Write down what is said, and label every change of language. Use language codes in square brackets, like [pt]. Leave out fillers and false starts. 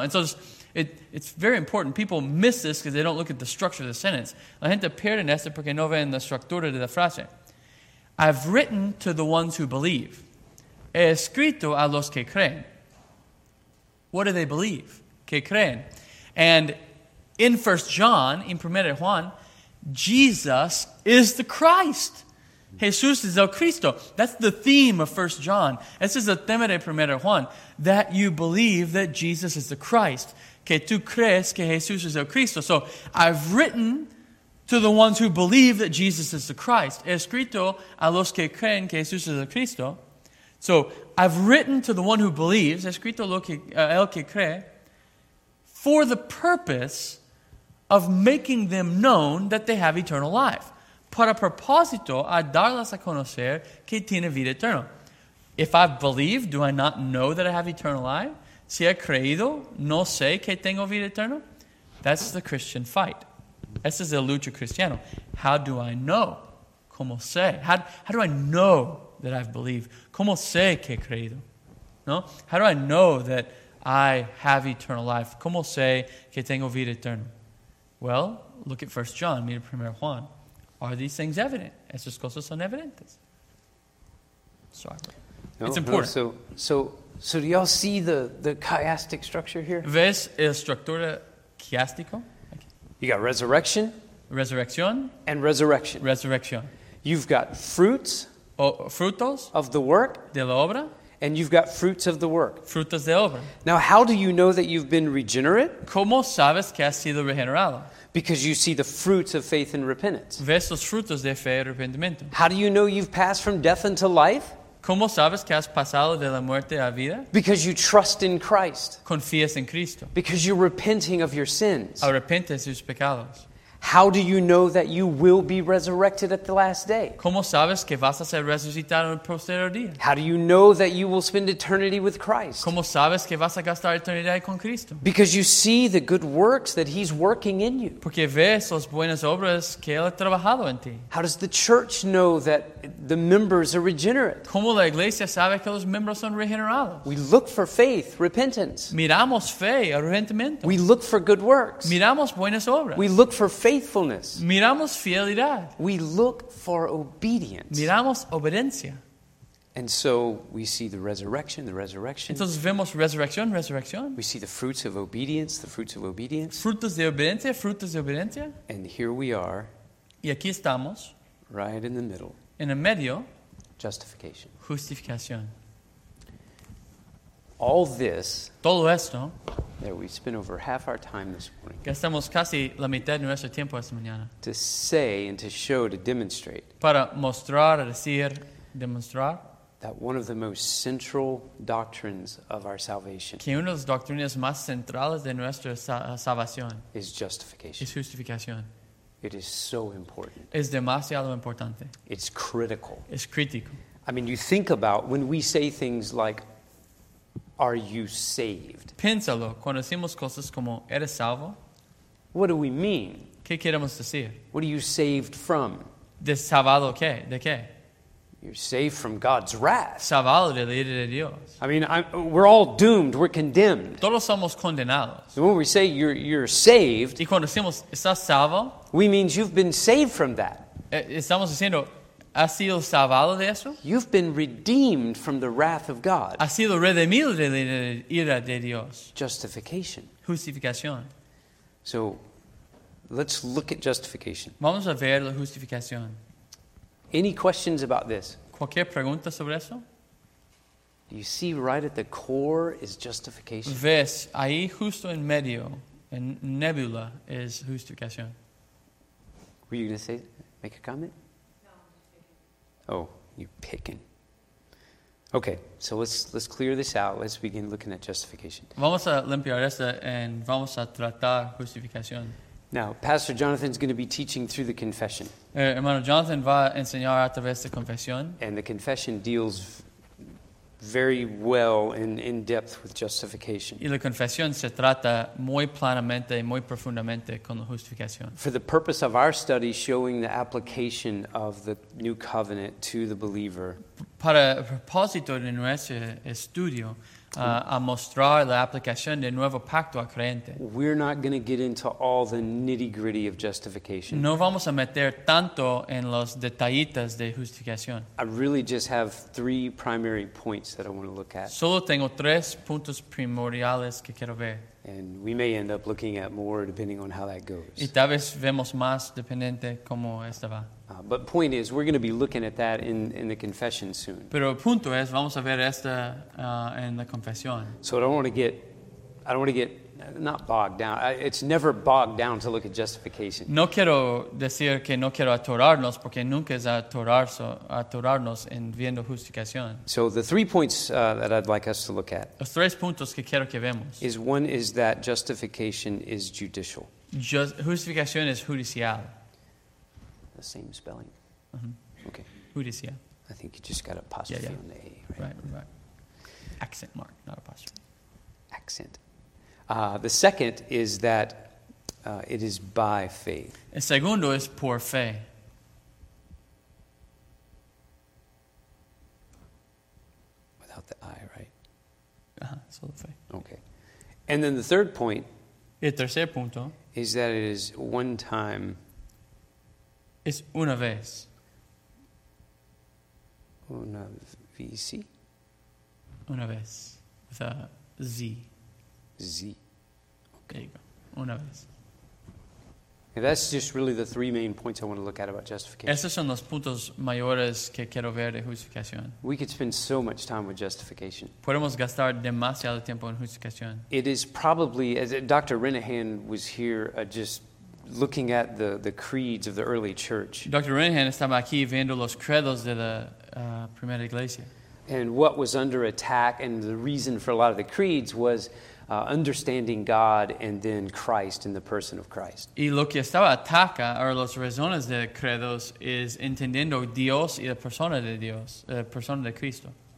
[en] And so it's very important. People miss this because they don't look at the structure of the sentence. [es] La gente pierde esto porque no ven la estructura de la frase. [en] I've written to the ones who believe. [es] He escrito a los que creen. [en] What do they believe? [es] Que creen. [en] And in 1 John, in 1 Juan, Jesus is the Christ. [es] Jesús es el Cristo. [en] That's the theme of 1 John. [es] Ese es el tema de 1 Juan. [en] That you believe that Jesus is the Christ. [es] Que tú crees que Jesús es el Cristo. [en] So, I've written to the ones who believe that Jesus is the Christ. [es] He escrito a los que creen que Jesús es el Cristo. [en] So, I've written to the one who believes. [es] He escrito lo que, el que cree. [en] For the purpose of making them known that they have eternal life. [es] Para propósito a darles a conocer que tiene vida eterna. [en] If I believe, do I not know that I have eternal life? [es] Si he creído, no sé que tengo vida eterna. [en] That's the Christian fight. [es] Esa es la lucha cristiana. [en] How do I know? [es] ¿Cómo sé? [en] How do I know that I've believed? [es] ¿Cómo sé que he creído? ¿No? [en] How do I know that I have eternal life? [es] ¿Cómo sé que tengo vida eterna? [en] Well, look at 1 John, [es] mira 1 Juan. [en] Are these things evident? [es] ¿Esas cosas son evidentes? [en] Sorry. No, it's important. No, So do y'all see the chiastic structure here? [es] ¿Ves la estructura chiástico? [en] You got resurrection. [es] Resurrección. [en] And resurrection. [es] Resurrección. [en] You've got fruits. [es] O frutos. [en] Of the work. [es] De la obra. [en] And you've got fruits of the work. [es] Frutos de obra. [en] Now how do you know that you've been regenerate? [es] ¿Cómo sabes que has sido regenerado? [en] Because you see the fruits of faith and repentance. [es] ¿Ves los frutos de fe y arrepentimiento? [en] How do you know you've passed from death unto life? [es] ¿Cómo sabes que has pasado de la muerte a vida? [en] Because you trust in Christ. [es] Confías en Cristo. [en] Because you're repenting of your sins. [es] Arrepentes de tus pecados. [en] How do you know that you will be resurrected at the last day? [es] ¿Cómo sabes que vas a ser resucitado en el postrero día? [en] How do you know that you will spend eternity with Christ? [es] ¿Cómo sabes que vas a gastar eternidad con Cristo? [en] Because you see the good works that he's working in you. [es] Porque ves las buenas obras que él ha trabajado en ti. [en] How does the church know that the members are regenerate? [es] ¿Cómo la iglesia sabe que los miembros son regenerados? [en] We look for faith, repentance. [es] Miramos fe, arrepentimiento. [en] We look for good works. [es] Miramos buenas obras. [en] We look for faithfulness. [es] Miramos fidelidad. [en] We look for obedience. [es] Miramos obediencia. [en] And so we see the resurrection, the resurrection. [es] Entonces vemos resurrección, resurrección. [en] We see the fruits of obedience, the fruits of obedience. [es] Frutos de obediencia, frutos de obediencia. [en] And here we are. [es] Y aquí estamos. [en] Right in the middle. [es] En el medio. [en] Justification. [es] Justificación. [en] All this. [es] Todo esto. [en] That we spent over half our time this morning. [es] Gastamos casi la mitad de nuestro tiempo esta mañana. [en] To say and to show, to demonstrate. [es] Para mostrar, decir, demostrar. [en] That one of the most central doctrines of our salvation. [es] Que una de las doctrinas más centrales de nuestra salvación. [en] Is justification. [es] Es justificación. [en] It is so important. [es] Es demasiado importante. [en] It's critical. [es] Es crítico. [en] I mean, you think about when we say things like, "Are you saved?" [es] Piénsalo cuando decimos cosas como "¿Eres salvo?" [en] What do we mean? [es] ¿Qué queremos decir? [en] What are you saved from? [es] ¿De salvado qué? ¿De qué? [en] You're saved from God's wrath. [es] Salvado de la ira de Dios. [en] I mean, we're all doomed. We're condemned. [es] Todos somos condenados. [en] And when we say you're saved, [es] y cuando decimos estás salvo, [en] we mean you've been saved from that. [es] Estamos diciendo, ¿has sido salvado de eso? [en] You've been redeemed from the wrath of God. [es] Has sido redimido de la ira de Dios. [en] Justification. [es] Justificación. [en] So, let's look at justification. [es] Vamos a ver la justificación. [en] Any questions about this? [es] ¿Cualquier pregunta sobre eso? [en] Do you see right at the core is justification? [es] ¿Ves ahí justo en medio, en nebula, es justificación? [en] Were you going to say, make a comment? No, I'm just picking. Oh, you picking. Okay, so let's clear this out. Let's begin looking at justification. [es] Vamos a limpiar esto y vamos a tratar justificación. [en] Now, Pastor Jonathan's going to be teaching through the confession. [es] Hermano Jonathan va a enseñar a través de confesión. [en] And the confession deals very well and in-depth with justification. [es] Y la confesión se trata muy plenamente y muy profundamente con la justificación. [en] For the purpose of our study, showing the application of the new covenant to the believer. [es] Para el propósito de nuestro estudio, a mostrar la aplicación del nuevo pacto al creyente. [en] We're not going to get into all the nitty-gritty of justification. [es] No vamos a meter tanto en los detallitos de justificación. [en] I really just have three primary points that I want to look at. [es] Solo tengo tres puntos primordiales que quiero ver. [en] And we may end up looking at more depending on how that goes. [es] Y tal vez vemos más dependiente cómo esta va. [en] But point is, we're going to be looking at that in the confession soon. [es] Pero el punto es, vamos a ver esta en la confesión. [en] So I don't want to get not bogged down. It's never bogged down to look at justification. [es] No quiero decir que no quiero atorarnos porque nunca es atorarnos en viendo justificación. [en] So the three points that I'd like us to look at. [es] Los tres puntos que quiero que vemos. [en] Is one is that justification is judicial. [es] Justificación es judicial. [en] The same spelling. Mm-hmm. Okay. Judicial. I think you just got an apostrophe on the A, right? Right. Accent mark, not apostrophe. Accent. The second is that it is by faith. [es] El segundo es por fe. [en] Without the I, right? [es] Solo fe. [en] Okay. And then the third point. [es] El tercer punto. [en] Is that it is one time. [es] Es una vez. Una vez. Una vez. [en] With a Z. Z. There you go. [es] Una vez. [en] That's just really the three main points I want to look at about justification. [es] Esos son los puntos mayores que quiero ver de justificación. [en] We could spend so much time with justification. [es] Podemos gastar demasiado tiempo en justificación. [en] It is probably, as Dr. Renahan was here just looking at the creeds of the early church. Dr. [es] Renahan estaba aquí viendo los credos de la primera iglesia. [en] And what was under attack and the reason for a lot of the creeds was understanding God and then Christ in the person of Christ. [es] Y lo que estaba ataca, o las razones de credos, es entendiendo Dios y la persona de Dios, la persona de Cristo.